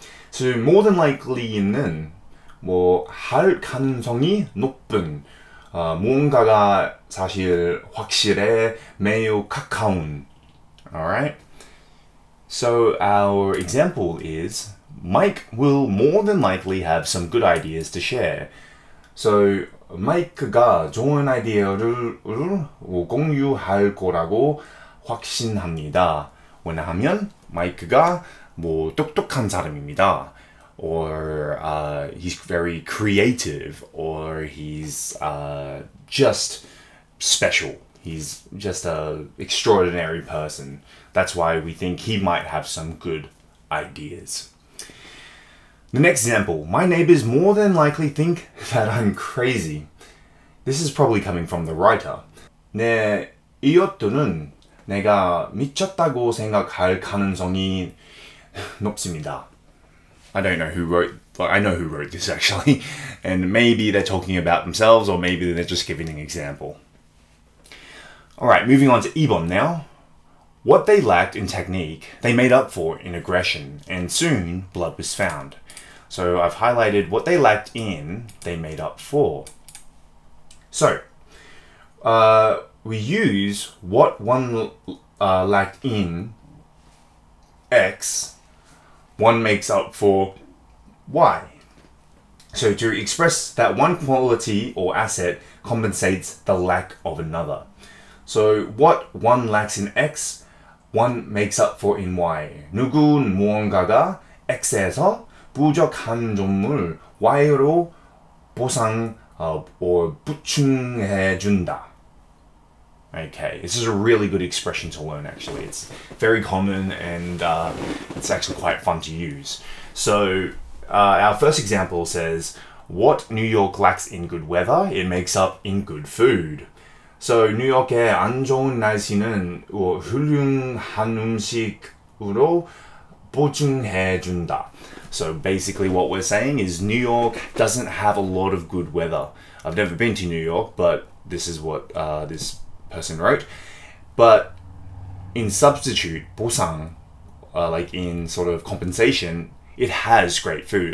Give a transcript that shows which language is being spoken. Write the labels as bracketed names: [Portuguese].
[English] So more than likely [Korean] 는 뭐 할 가능성이 높은 무언가가 사실 확실해 매우 가까운. [English] All right. So our example is Mike will more than likely have some good ideas to share. [Korean] So 마이크가 좋은 아이디어를 공유할 거라고 확신합니다. 왜냐하면 마이크가 뭐 똑똑한 사람입니다. [English] Or he's very creative, or he's just special. He's just an extraordinary person. That's why we think he might have some good ideas. The next example, my neighbors more than likely think that I'm crazy. This is probably coming from the writer. [Korean] 내 이웃들은 내가 미쳤다고 생각할 가능성이 높습니다. [English] I don't know who wrote, but I know who wrote this actually. And maybe they're talking about themselves, or maybe they're just giving an example. Alright, moving on to 2번 now. What they lacked in technique, they made up for in aggression, and soon blood was found. So I've highlighted what they lacked in, they made up for. So, we use what one lacked in X, one makes up for Y. So to express that one quality or asset compensates the lack of another. So what one lacks in X, one makes up for in Y. [Korean] 누군 무언가가 X에서 부족한 점을 Y로 보상 or 보충해준다. [English] Okay, this is a really good expression to learn actually. It's very common and it's actually quite fun to use. So our first example says, what New York lacks in good weather, it makes up in good food. [Korean] So 뉴욕의 안 좋은 날씨는 훌륭한 음식으로 보충해준다. [English] So basically what we're saying is New York doesn't have a lot of good weather. I've never been to New York, but this is what this person wrote. But in substitute, 보상, like in sort of compensation, it has great food.